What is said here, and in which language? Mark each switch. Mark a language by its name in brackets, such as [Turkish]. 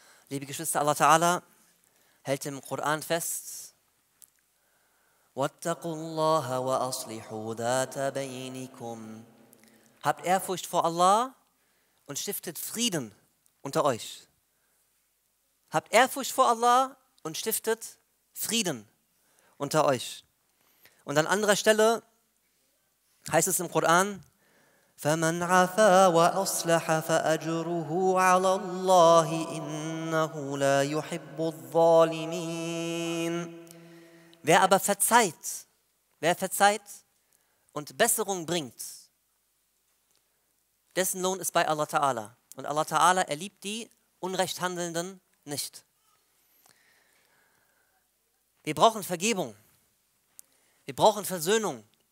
[German] Liebe Geschwister, Allah Ta'ala hält im Koran fest: [Arabic] Wattaqu allaha wa aslihu dhata baynikum. [German] Habt Ehrfurcht vor Allah und stiftet Frieden unter euch. Habt Ehrfurcht vor Allah und stiftet Frieden unter euch. Und an anderer Stelle heißt es im Koran: [Arabic] فَمَنْ عَفَى وَأَصْلَحَ فَأَجْرُهُ عَلَى اللَّهِ إِنَّهُ لَا يُحِبُّ الظَّالِمِينَ. [German] Wer aber verzeiht, wer verzeiht und Besserung bringt, dessen Lohn ist bei Allah Ta'ala. Und Allah Ta'ala, er liebt die Unrechthandelnden nicht. Wir brauchen Vergebung. Wir brauchen Versöhnung.